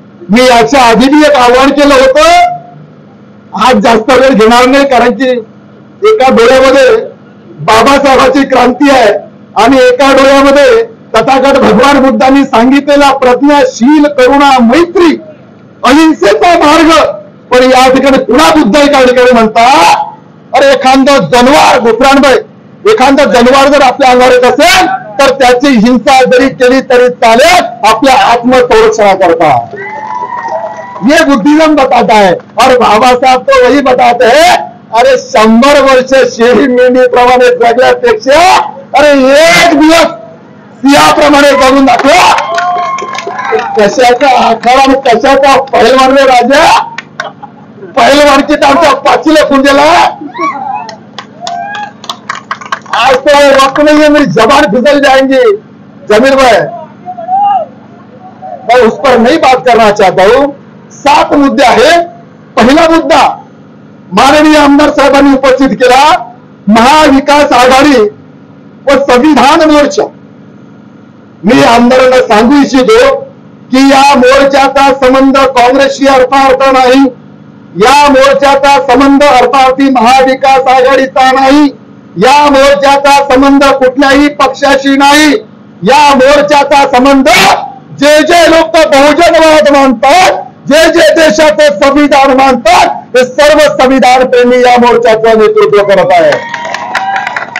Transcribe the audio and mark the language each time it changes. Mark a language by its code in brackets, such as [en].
[mr] मी याच्या आधी भी एक आव्हान केलं होतं, आज जास्त वेळ घेणार नाही, कारण की एका डोळ्यामध्ये बाबासाहेबांची क्रांती आहे आणि एका डोळ्यामध्ये तथागत भगवान बुद्धांनी सांगितलेला प्रज्ञाशील करुणा मैत्री अहिंसेचा मार्ग। पण या ठिकाणी पुन्हा बुद्ध एका ठिकाणी म्हणता, अरे एखादं जनवार गोपराणभाई, एखादं जनवार जर आपल्या अंगावर येत असेल तर त्याची हिंसा जरी केली तरी चालेल आपल्या आत्मसंरक्षणाकरता। [hi] ये बुद्धिजन बताता है और बाबासाहेब तो वही बताते हैं, [mr] अरे 100 वर्ष शेरी मेंढी प्रमाणे जगण्यापेक्षा अरे एक दिवस सिंहाप्रमाणे जगून दाखवा। कशाचा आखाडा आणि कशाचा पहलवान रे राजा, पहलवान की त्यांचा पाचिले फुंडेला। [hi] आज तो वक्त नहीं है, मेरी जबान फिसल जाएंगी। जमीर भाई मैं उस पर नहीं बात करना चाहता हूं, 7 मुद्दे है। पहला मुद्दा माननीय आमदार साहबानी उपस्थित किया, महाविकास आघाड़ी व संविधान मोर्चा। [mr] मी आमदार सांगू इच्छितो कि या मोर्चाचा संबंध काँग्रेसशी अर्थार्थ नाही, या मोर्चाचा संबंध अर्थार्थी महाविकास आघाडीचा नाही, या मोर्चाचा संबंध कुठल्याही पक्षाशी नाही, या मोर्चाचा संबंध जे जे लोक बहुजनवाद मानतात, जे जे देशाचं संविधान मानतात, ते सर्व संविधान प्रेमी या मोर्चाचं नेतृत्व करत आहे।